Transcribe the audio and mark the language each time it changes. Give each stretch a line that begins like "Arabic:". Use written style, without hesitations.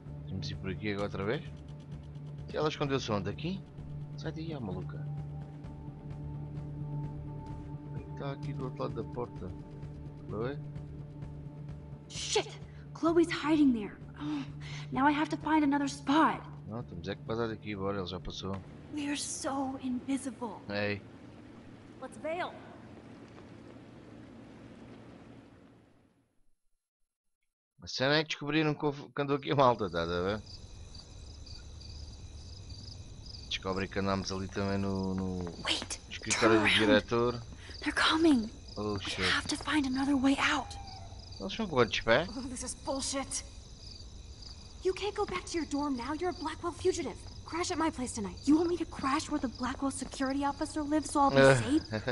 Portuguese: Vamos ir por aqui agora outra vez? Ela escondeu-se onde? Aqui? Sai daí, ó, maluca. Está aqui do outro lado da porta.
English: Chloe? Shit! Chloe's hiding there. Oh, now I have to find another spot.
Portuguese: Não, temos é que passar daqui, bora, ela já passou.
English: We are so invisible. Hey. Let's bail.
Portuguese: A cena é que descobriram que andou aqui a malta, tá a ver? Descobri que andámos ali também no
English: Wait,
Portuguese: escritório do diretor.
English: They're coming. Oh shit. We have to find another way out.
Portuguese: Eles são quantos, pé?
English: Oh, this is bullshit. You can't go back to your dorm now. You're a Blackwell fugitive. Crash at my place tonight. You want me to crash where the Blackwell security officer lives so I'll be safe?